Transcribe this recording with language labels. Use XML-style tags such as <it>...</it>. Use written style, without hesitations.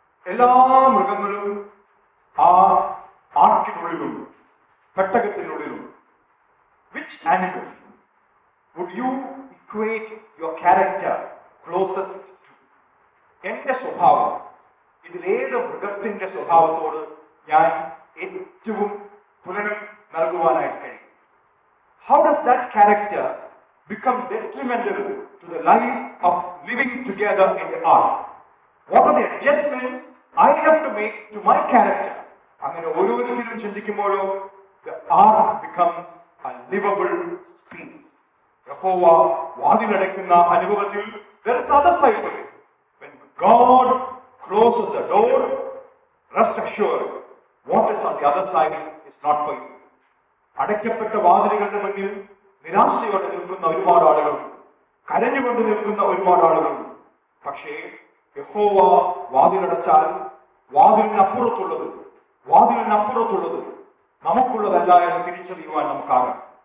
<ml>എല്ലാ മൃഗങ്ങളും ആ ആർക്കിനുള്ളിലും പെട്ടകത്തിനുള്ളിലും</ml> <en>Which animal would you equate your character closest to?</en> <ml>എന്റെ സ്വഭാവം ഇതിലേത് മൃഗത്തിന്റെ സ്വഭാവത്തോട് ഞാൻ ഏറ്റവും തുലനം നൽകുവാനായിട്ട് കഴിയും?</ml> <en>How does that character become detrimental to the life of living together in the ark? What are the adjustments I have to make to my character?</en> <ml>Angane oruvarukkum chindikkumbolo</ml> <en>the ark becomes a livable space.</en> <ml>Yehova vaadiladakkuna anubhavathil</ml> <en>there is other side to it. When God closes the door, rest assured, what is on the other side is not for you.</en> <ml>അടയ്ക്കപ്പെട്ട വാതിലുകളുടെ മുന്നിൽ നിരാശയോടെ നിൽക്കുന്ന ഒരുപാട് ആളുകളും കരഞ്ഞുകൊണ്ട് നിൽക്കുന്ന ഒരുപാട് ആളുകളും പക്ഷേ യഹോവ വാതിലടച്ചാൽ വാതിലിനപ്പുറത്തുള്ളത് നമുക്കുള്ളതല്ല എന്ന് തിരിച്ചറിയുവാൻ നമുക്കാകും.</ml>